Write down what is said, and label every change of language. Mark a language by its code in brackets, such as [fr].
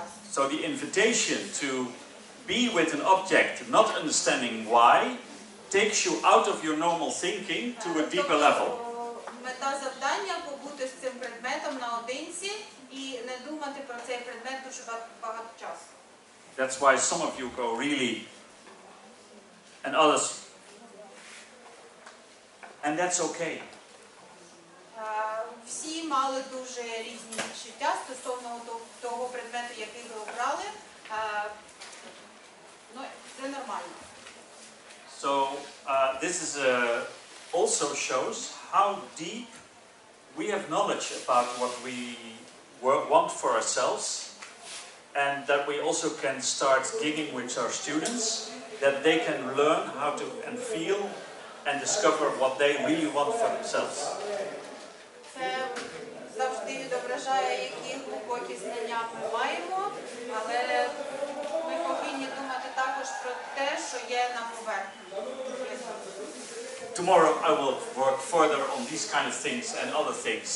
[en] So the invitation to be with an object, not understanding why, takes you out of your normal thinking to a deeper level. [uk] Мета завдання – побути з цим предметом наодинці і не думати про цей предмет дуже багато часу. [en] That's why some of you go really, and others, and that's okay. [uk] Всі мали дуже різні відчуття стосовно того предмету, який ви обрали. Ну, це нормально. [en] So, this is also shows how deep we have knowledge about what we want for ourselves, and that we also can start digging with our students, that they can learn how to and feel and discover what they really want for themselves. [uk] Це завжди відображає, які глибокі знання ми маємо, але ми повинні думати також про те, що є на поверхні. [en] Tomorrow I will work further on these kind of things and other things.